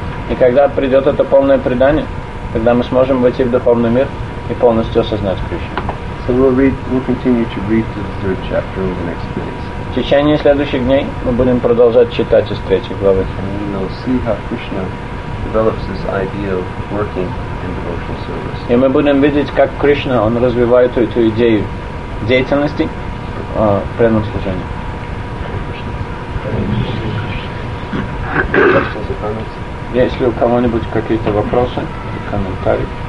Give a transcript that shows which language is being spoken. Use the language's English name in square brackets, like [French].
[Russian] И когда придет это полное предание, тогда мы сможем войти в духовный мир и полностью осознать Кришну. [English] So we'll continue to read the third chapter over the next few days. [Russian] В течение следующих дней мы будем продолжать читать из третьей главы. [English] And we'll see how Krishna develops this idea of working in devotional service. [Russian] И мы будем видеть, как Кришна, он развивает эту идею деятельности в преданном служении. Если у кого-нибудь какие-то вопросы, комментарии.